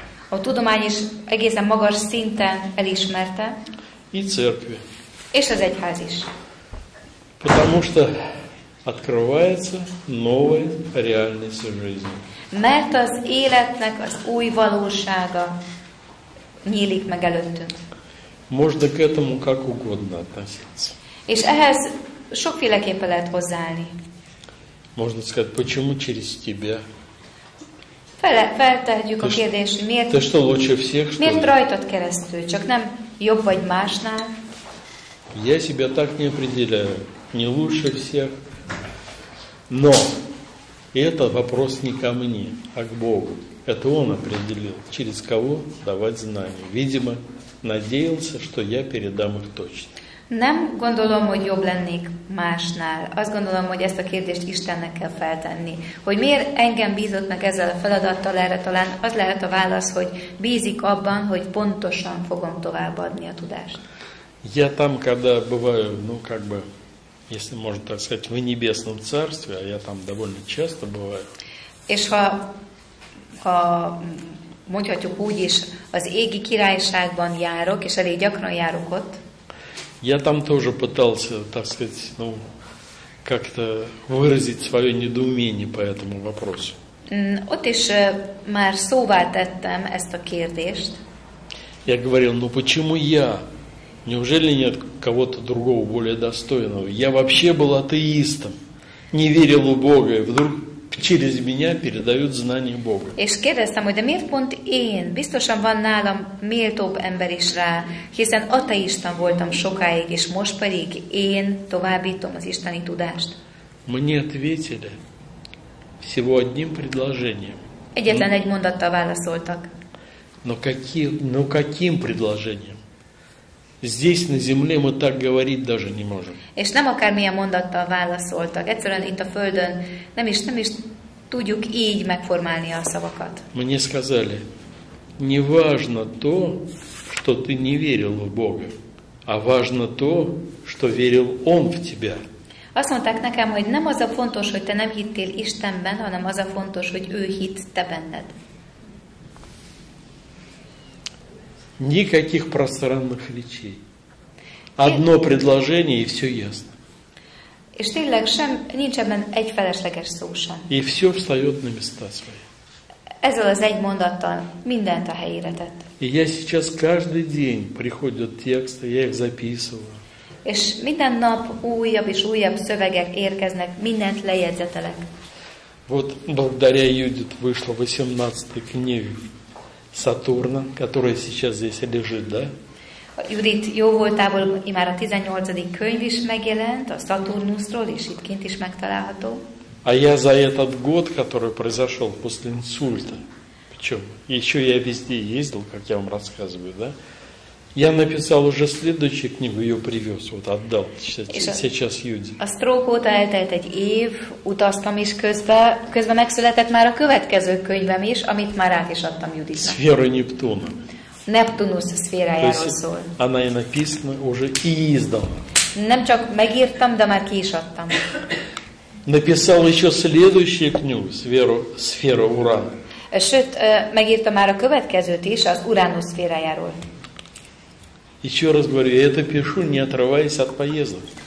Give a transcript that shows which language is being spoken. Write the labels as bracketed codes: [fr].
[hu] A tudomány is egészen magas szinten elismerte. [ru] И церкви. [hu] És az egyház is. [ru] Потому что открывается новый реальность жизни. [hu] Mert az életnek az új valósága nyílik meg előttünk. [ru] Можно к этому как угодно относиться. [hu] És ehhez sokféleképpen lehet hozzáállni. [ru] Можно сказать, почему через тебя? [hu] Feltehetjük a kérdést, miért? Te [ru] что лучше всех? [hu] Miért rajtad keresztül, csak nem jobb vagy másnál? [ru] Я себя так не определяю, не лучше всех, но это вопрос не ко мне, а к Богу. Это Он определил, через кого давать знания. Видимо, надеялся, что я передам их точно. [hu] Nem gondolom, hogy jobb lennék másnál. Azt gondolom, hogy ezt a kérdést Istennek kell feltenni. Hogy miért engem bízott meg ezzel a feladattal erre talán, az lehet a válasz, hogy bízik abban, hogy pontosan fogom továbbadni a tudást. [ru] Я там, когда бываю, если можно так сказать, в небесном царстве, а я там довольно часто бываю. [hu] És ha mondhatjuk úgy is, az égi királyságban járok, és elég gyakran járok ott. [ru] Я там тоже пытался, так сказать, ну, как-то выразить свое недоумение по этому вопросу. [hu] Ott is már szóvá tettem ezt a kérdést. [ru] Я говорил, ну почему я? Неужели нет кого-то другого более достойного? Я вообще был атеистом, не верил в Бога, и вдруг через меня передают знания Бога. [hu] És kérdeztem, hogy de miért pont én? Biztosan van nálam méltóbb ember is rá, hiszen ateista voltam sokáig, és most pedig én továbbítom az isteni tudást. [ru] Мне ответили всего одним предложением. [hu] Egyetlen egy mondattal válaszoltak. [ru] Но каким предложением? Здесь, на земле, мы так говорить даже не можем. [hu] És nem akármilyen mondattal válaszoltak. Egyszerűen itt a Földön nem is tudjuk így megformálni a szavakat. [ru] Мне сказали, не важно то, что ты не верил в Бога, а важно то, что верил Он в тебя. [hu] Azt mondták nekem, hogy nem az a fontos, hogy te nem hittél Istenben, hanem az a fontos, hogy ő hitt te benned. [ru] Никаких пространных речей. Одно предложение, и все ясно. [hu] És tényleg sem, nincs ebben egy felesleges szó sem. [ru] И все встает на места свои. [hu] Ezzel az egy mondattal mindent a helyére tett. [ru] И я сейчас каждый день приходят тексты, я их записываю. [hu] És minden nap újabb és újabb szövegek érkeznek, mindent lejegyzetelek. [ru] Вот благодаря Юдит вышла 18-й книга Сатурна, которая сейчас здесь лежит, да? [hu] Юдит, jó voltából imár a 18. könyv is megjelent, a Сатурнусról, és itt kint is megtalálható. [ru] А я за этот год, который произошел после инсульта, причем еще я везде ездил, как я вам рассказываю, да? Я написал уже следующую книгу, ее привез, вот отдал сейчас Юди. [hu] A stroke óta eltelt egy év, utaztam is közben megszületett már a következő könyvem is, amit már át is adtam Юдитnak. [ru] Сфера Нептуна. [hu] Neptunus szférájáról szól. [ru] Она и написана, уже и издана. [hu] Nem csak megírtam, de már ki is adtam. [ru] Написал еще следующую книгу, сфера Урана. [hu] Sőt, megírtam már a következőt is, az Uranus szférájáról. [ru] Еще раз говорю, я это пишу, не отрываясь от поездок.